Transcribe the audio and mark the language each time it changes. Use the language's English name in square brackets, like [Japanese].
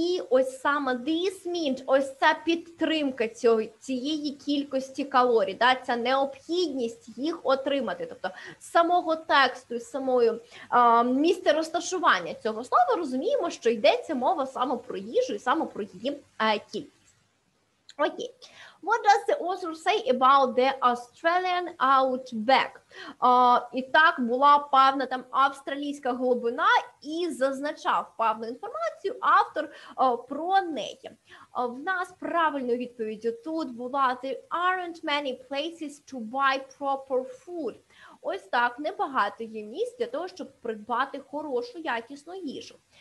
[Ukrainian] Ось саме [English] this means, [Ukrainian] ось ця підтримка цієї кількості калорій, да, ця необхідність їх отримати. Тобто самого тексту, самою місце розташування цього слова розуміємо, що йдеться мова саме про їжу і саме про її кількість. Окей. [English] What does the author say about the Australian outback? [Ukrainian] І так була певна там австралійська глибина і зазначав певну інформацію автор про неї. В нас правильною відповіддю тут була [English] there aren't many places to buy proper food. [Ukrainian] Ось так, небагато є місць для того, щоб придбати хорошу якісну їжу.